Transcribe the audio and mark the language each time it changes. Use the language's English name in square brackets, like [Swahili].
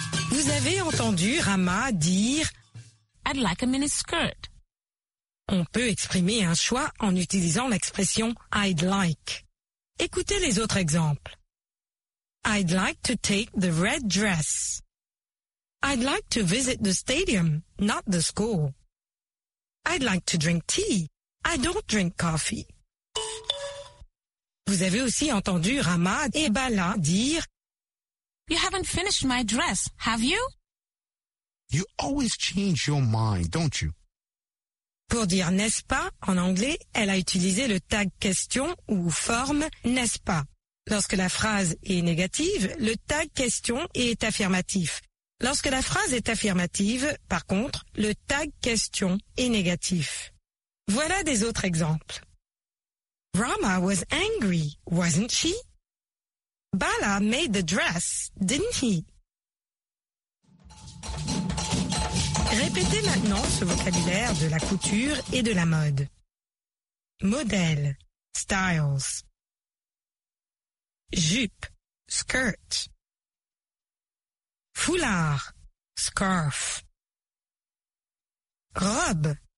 [French] Vous avez entendu Rama dire [English] « I'd like a mini skirt ». [French] On peut exprimer un choix en utilisant l'expression « I'd like ». Écoutez les autres exemples. [English] « I'd like to take the red dress ». « I'd like to visit the stadium, not the school ». « I'd like to drink tea ». I don't drink coffee. [French] Vous avez aussi entendu Rama et Bala dire [English] You haven't finished my dress, have you? You always change your mind, don't you? [French] Pour dire n'est-ce pas, en anglais, elle a utilisé le tag question ou forme n'est-ce pas. Lorsque la phrase est négative, le tag question est affirmatif. Lorsque la phrase est affirmative, par contre, le tag question est négatif. Voilà des autres exemples. [English] Rama was angry, wasn't she? Bala made the dress, didn't he? [French] Répétez maintenant ce vocabulaire de la couture et de la mode. Modèle, styles. Jupe, skirt. Foulard, scarf. Robe.